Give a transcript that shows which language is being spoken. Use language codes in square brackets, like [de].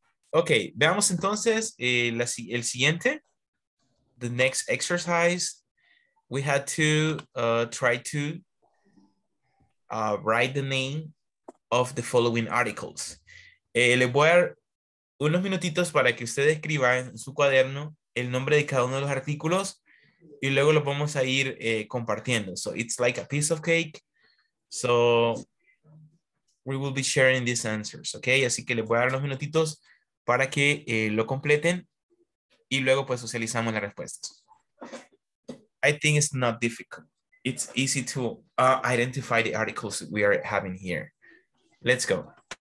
[en] Okay, [es] veamos entonces el siguiente. [en] The next exercise, we had to try to write the name of the following articles. [es] Les voy a dar unos minutitos para que ustedes escriban en su cuaderno el nombre de cada uno de los artículos y luego lo vamos a ir compartiendo. [en] So it's like a piece of cake. So we will be sharing these answers, okay? [es] Así que les voy a dar unos minutitos para que lo completen y luego pues socializamos las respuestas. [en] I think it's not difficult. It's easy to identify the articles we are having here. Let's go.